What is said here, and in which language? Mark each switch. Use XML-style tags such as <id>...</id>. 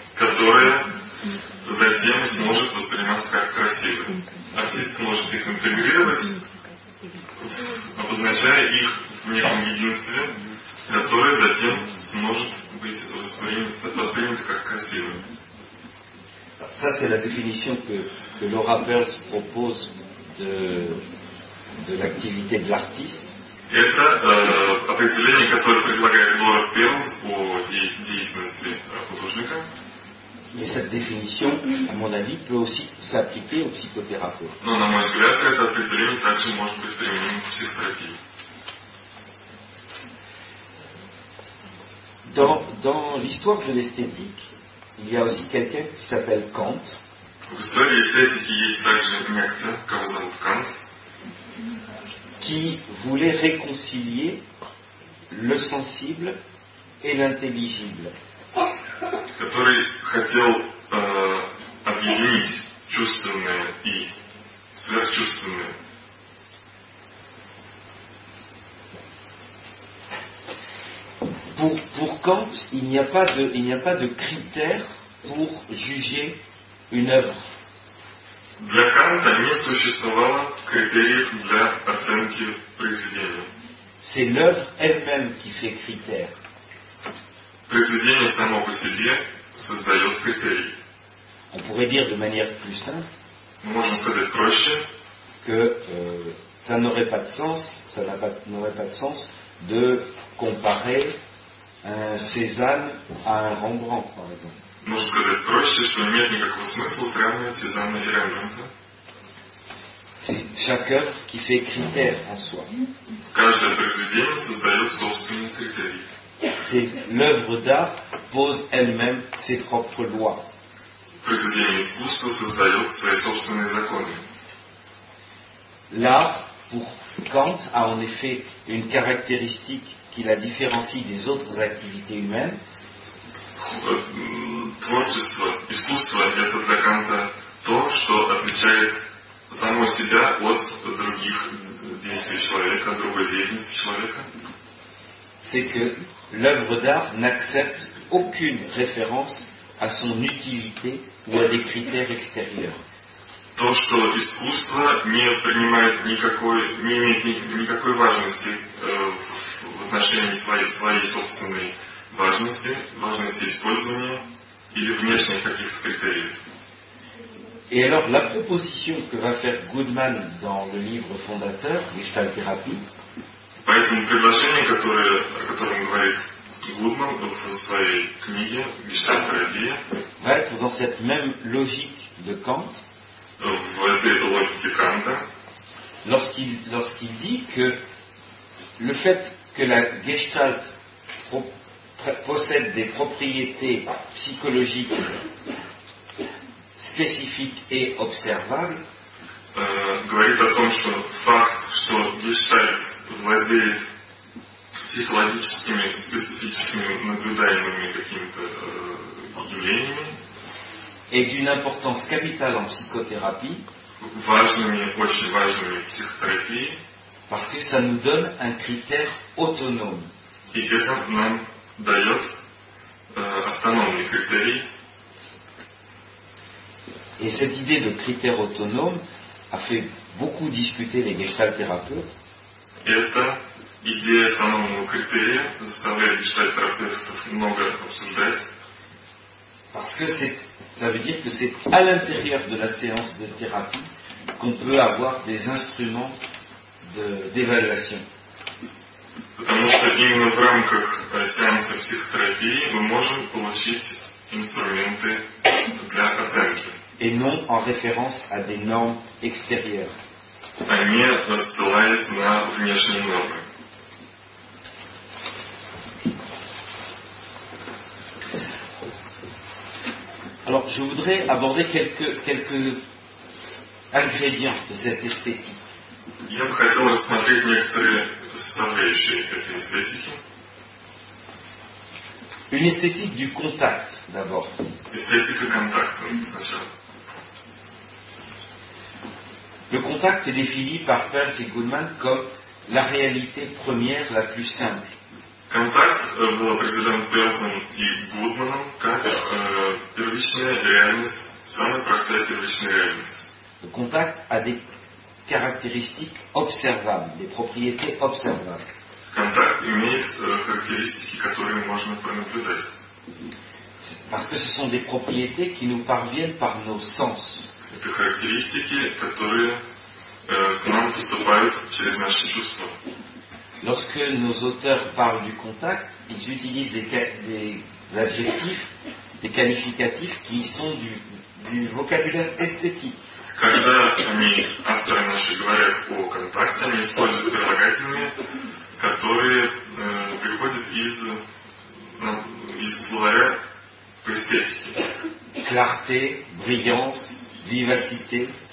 <ru>Которая затем сможет восприниматься как красивой. Артист может их интегрировать, обозначая их в неком единстве, которое затем сможет быть воспринято как красивым.</ru> <fr>Ça c'est la définition que Laura Perls propose de l'activité de l'artiste.</fr> <ru>Это определение, которое предлагает Лора Перлс о деятельности художника.</ru> <fr>Mais cette définition, à mon avis, peut aussi s'appliquer au psychothérapeute.</fr> <ru>Но, на мой взгляд, это определение также может быть применено в психотерапии.</ru> <fr>Dans l'histoire de l'esthétique, il y a aussi quelqu'un qui s'appelle Kant.</fr> <ru>В истории эстетики есть также некто, кого зовут Кант.</ru> <fr>Qui voulait réconcilier le sensible et l'intelligible.</fr> <ru>Который хотел объединить чувственное и сверхчувственное.</ru> <fr>Pour Kant, il n'y a pas de critère pour juger une œuvre.</fr> <ru>Для Канта не существовало критериев для оценки произведения.</ru> <fr>C'est l'œuvre elle-même qui fait critère.</fr> <ru>Произведение само по себе создает критерий.</ru> <fr>On pourrait dire de manière plus simple.</fr> <ru>Мы можем сказать проще.</ru> <fr>Que ça n'aurait pas de sens, ça n'aurait pas de sens de comparer un Cézanne à un Rembrandt, par exemple.</fr> <ru>Можно сказать проще, что нет никакого смысла сравнивать Сезанна и Рембрандта.</ru> <fr>Chaque œuvre qui fait critère en soi.</fr> <ru>Каждое произведение создает собственные критерии.</ru> <fr>C'est l'œuvre d'art pose elle-même ses propres lois.</fr> <ru>Произведение искусства создает свои собственные законы.</ru> <fr>L'art, pour Kant, a en effet une caractéristique qui la différencie des autres activités humaines.</fr> <ru>Творчество, искусство – это для Канта то, что отличает само себя от других действий человека, от другой деятельности человека.</ru> <fr>C'est que l'œuvre d'art n'accepte aucune référence à son utilité ou à des critères extérieurs.</fr> <ru>То, что искусство не принимает никакой, не имеет никакой важности в отношении своей собственной важности использования или внешних каких-то критериев.</ru> <fr>Et alors la proposition que va faire Goodman dans le livre fondateur Gestalt Therapie.</fr> <ru>Поэтому предложение, о котором говорит Goodman в своей книге Gestalt Therapie,</ru> <fr>va être dans cette même logique de Kant.</fr> <ru>В этой логике Канта.</ru> <fr>Lorsqu'il dit que le fait que la Gestalt possède des propriétés psychologiques spécifiques et observables.</fr> <ru>Говорит о том, что факт, что Гештальт владеет психологическими специфическими наблюдаемыми какими-то явлениями,</ru> <fr>est d'une importance capitale en psychothérapie.</fr> <ru>Важными, очень важными в психотерапии.</ru> <fr>Parce que ça nous donne un critère autonome. Et</fr> <ru>это нам даёт автономный критерий.</ru> <fr>Et cette idée de critère autonome a fait beaucoup discuter les gestalt-thérapeutes.</fr> <ru>Эта идея автономного критерия заставляет гештальт-терапевтов много обсуждать.</ru> <fr>Parce que c'est, ça veut dire que c'est à l'intérieur de la séance de thérapie qu'on peut avoir des instruments de, d'évaluation.</fr> <ru>Потому что именно в рамках сеанса психотерапии мы можем получить инструменты для оценки.</ru> <fr>Et non en référence à des normes extérieures.</fr> <ru>Они ссылались на внешние нормы.</ru> <fr>Alors, je voudrais aborder quelques ingrédients de cette esthétique.</fr> <ru>Я бы хотел рассмотреть некоторые составляющие этой эстетики.</ru> <fr>Une esthétique du contact, d'abord.</fr> <ru>Эстетика контакта, сначала.</ru> <fr>Le contact est défini par Peirce et Goodman comme la réalité première la plus simple.</fr> <ru>Контакт был определен Пёрсом и Гудманом как первичная реальность, самая простая первичная реальность.</ru> <fr>Контакт a des caractéristiques observables, des propriétés observables.</fr> <ru>Контакт имеет характеристики, которые можно понаблюдать.</ru> <fr>Parce que ce sont des propriétés qui nous parviennent par nos sens.</fr> <ru>Это характеристики, которые к нам поступают через наши чувства.</ru> <fr>Lorsque nos auteurs parlent du contact, ils utilisent des adjectifs, des qualificatifs qui sont du vocabulaire esthétique.</fr> <ru>Когда они, авторы наши, говорят о контакте, они используют прилагательные, которые приходят из словаря по эстетике.</ru> <fr>Clarté, brillance, vivacité.</fr>